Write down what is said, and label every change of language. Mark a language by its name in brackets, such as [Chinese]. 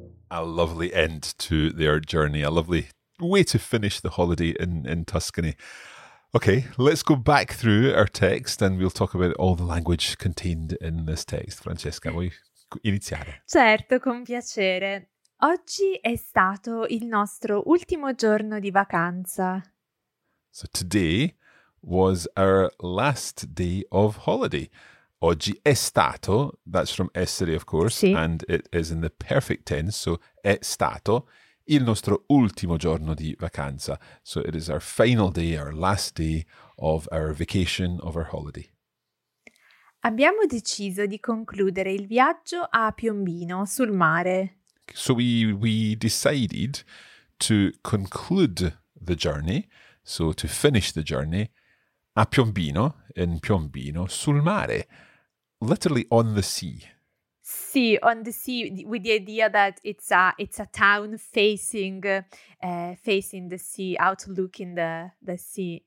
[English] A lovely end to their journey, a lovely way to finish the holiday in Tuscany. Okay, let's go back through our text and we'll talk about all the language contained in this text. [Italian] Francesca, vuoi iniziare? Certo, con piacere. Oggi è stato il nostro ultimo giorno di vacanza. [English] So today was our last day of holiday. [Italian] Oggi è stato, [English] that's from essere, of course, [Italian] sì. [English] And it is in the perfect tense, so [Italian] è stato il nostro ultimo giorno di vacanza. [English] So it is our final day, our last day of our vacation, of our holiday. [Italian] Abbiamo deciso di concludere il viaggio a Piombino, sul mare. [English] So we decided to conclude the journey, so to finish the journey, [Italian] a Piombino, [English] in Piombino, [Italian] sul mare, [English] literally on the sea. [Italian] Sì, [English] on the sea, with the idea that it's a town facing the sea, outlooking the sea.